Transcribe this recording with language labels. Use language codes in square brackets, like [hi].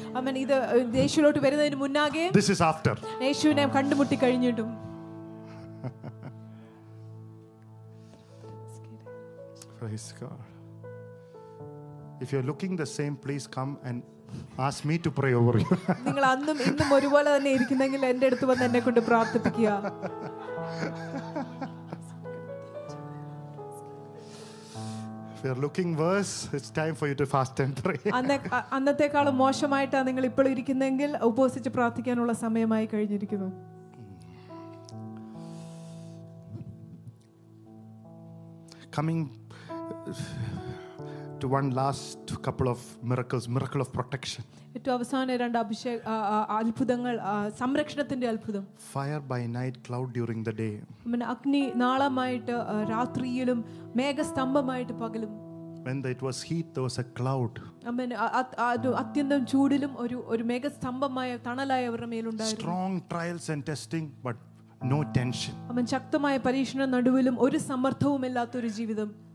[ml] amen idu yeshuvilottu verunnathinu munna [en] This is after. [ml] യേശുവിനെ കണ്ടുമുട്ടി കഴിഞ്ഞിട്ടും. [en] Praise God. If you're looking the same, please come and ask me to pray over you. [ml] നിങ്ങൾ അന്നും ഇന്നും ഒരുപോലെ തന്നെ ഇരിക്കുന്നെങ്കിൽ എൻ്റെ അടുത്ത് വന്ന് എന്നെക്കൊണ്ട് പ്രാർത്ഥിപ്പിക്കുക. [en] If you're looking worse, it's time for you to fast and pray. [ml] അന്നത്തെക്കാളും മോശമായിട്ടാണ് നിങ്ങൾ ഇപ്പോൾ ഇരിക്കുന്നതെങ്കിൽ ഉപവസിച്ച് പ്രാർത്ഥിക്കാനുള്ള സമയമായി കഴിഞ്ഞിരിക്കുന്നു. [en] Coming to one last couple of miracles, miracle of protection. [ml] ഇതു അവസാന രണ്ട് അത്ഭുതങ്ങൾ, സംരക്ഷണത്തിന്റെ അത്ഭുതം. [en] Fire by night, cloud during the day. [ml] അഗ്നി നാളമായിട്ട് രാത്രിയിലും മേഘസ്തംഭമായിട്ട് പകലും. [en] When it was heat, there was a cloud. [ml] അത്യന്തം ചൂടിലും ഒരു ഒരു മേഘസ്തംഭമായ തണലായി അവരുടെ മേലുണ്ടായിരുന്നു. [en] Strong trials and testing, but no tension. [ml] അവൻ ശക്തമായ പരീക്ഷണ നടുവിലും ഒരു സമ്മർദ്ദവും ഇല്ലാത്ത ഒരു ജീവിതം.